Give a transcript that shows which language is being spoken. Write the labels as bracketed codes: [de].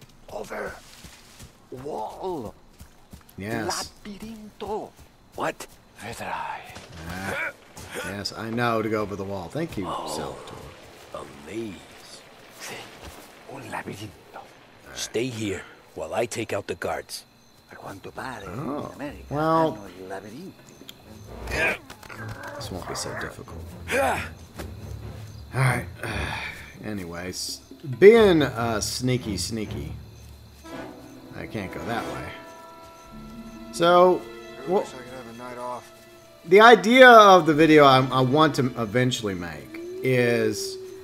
[en] Over. Wall. Yes. [it] Labirinto. [en] What? [it] Vedrai. [en] Yes, I know to go over the wall. Thank you, Salvatore. A maze. [it] Un labirinto. [en] Stay here while I take out the guards. [it] A quanto pare, in America hanno il labirinto. [en] This won't be so difficult. All right. Anyways, being sneaky, I can't go that way. So, well, I wish I could have a night off. The idea of the video I want to eventually make is